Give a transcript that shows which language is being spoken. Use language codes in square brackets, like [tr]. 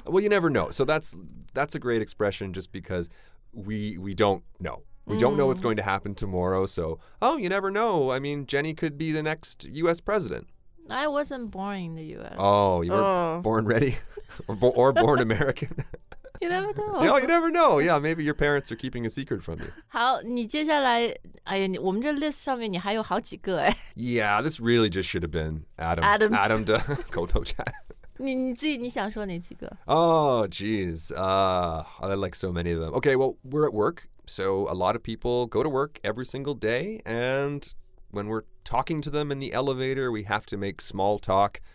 [en] Well, you never know. So that's a great expression just because we don't know. We don't know what's going to happen tomorrow. So, oh, you never know. I mean, Jenny could be the next U.S. president. I wasn't born in the U.S. Oh, you were born ready or born American. You never know. No, you never know. Yeah, maybe your parents are keeping a secret from you. [zh] 好，你接下来，哎呀，我们这 list 上面你还有好几个哎。 [en] Yeah, this really just should have been Adam. Adam [zh] 的口头禅。你自己你想说哪几个 [en] ？Oh, geez. I like so many of them. Okay, well, we're at work, so a lot of people go to work every single day, and when we're talking to them in the elevator, we have to make small talk.